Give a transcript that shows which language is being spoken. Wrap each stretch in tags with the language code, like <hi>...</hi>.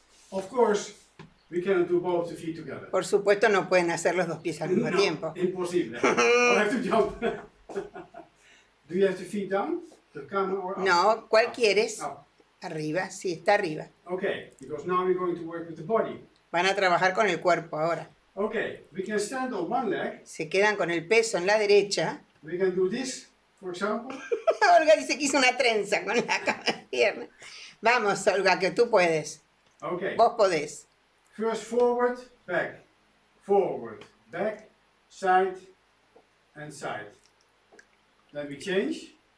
<en>Of course, we cannot do both the feet together.</en> <es>Por supuesto, no pueden hacer los dos pies al mismo tiempo. Imposible.</es> <en>I have to jump. Do you have the feet down? The camera or</en> <es>no, ¿cuál quieres? Oh. Arriba, sí, está arriba.</es> <en>Okay, because now we're going to work with the body.</en> <es>Van a trabajar con el cuerpo ahora.</es> <en>Okay, we can stand on one leg.</en> <es>Se quedan con el peso en la derecha.</es> <en>We can do this, for example.</en> <es>Olga dice que hizo una trenza con la pierna. Vamos, Olga, que tú puedes.</es> <en>Okay.</en> <es>Vos podés.</es> <en>First forward, back, side, and side. Then we change.</en>